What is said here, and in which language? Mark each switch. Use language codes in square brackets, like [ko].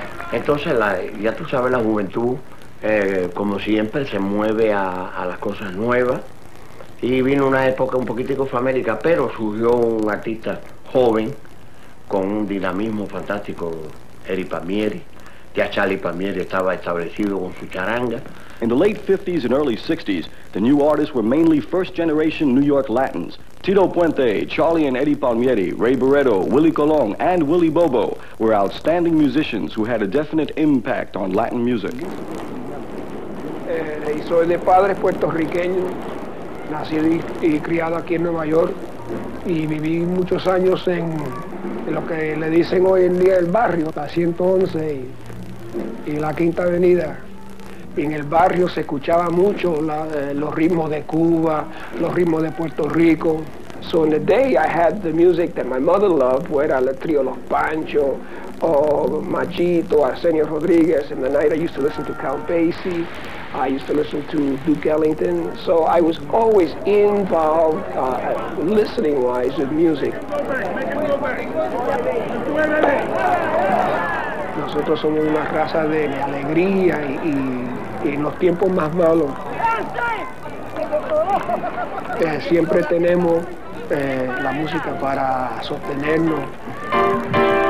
[es] Entonces, ya tú sabes, la juventud, como siempre, se mueve a las cosas nuevas. Y vino una época un poquitico famélica, pero surgió un artista joven con un dinamismo fantástico, Eddie Palmieri. Ya Charlie Palmieri estaba establecido con su charanga. [en] In the late 50s and early 60s, the new artists were mainly first-generation New York Latins. Tito Puente, Charlie and Eddie Palmieri, Ray Barreto, Willie Colon, and Willie Bobo were outstanding musicians who had a definite impact on Latin music. [es] Y soy de padres puertorriqueños, nacido y criado aquí en Nueva York, y viví muchos años en lo que le dicen hoy en día el barrio, la 111 y la Quinta Avenida. En el barrio se escuchaba mucho los ritmos de Cuba, los ritmos de Puerto Rico. [en] So in the day I had the music that my mother loved, where I had Trio Los Pancho, Machito, Arsenio Rodriguez. In the night I used to listen to Count Basie, I used to listen to Duke Ellington. So I was always involved, listening-wise, with music. [es] Nosotros somos una raza de alegría y en los tiempos más malos siempre tenemos la música para sostenernos.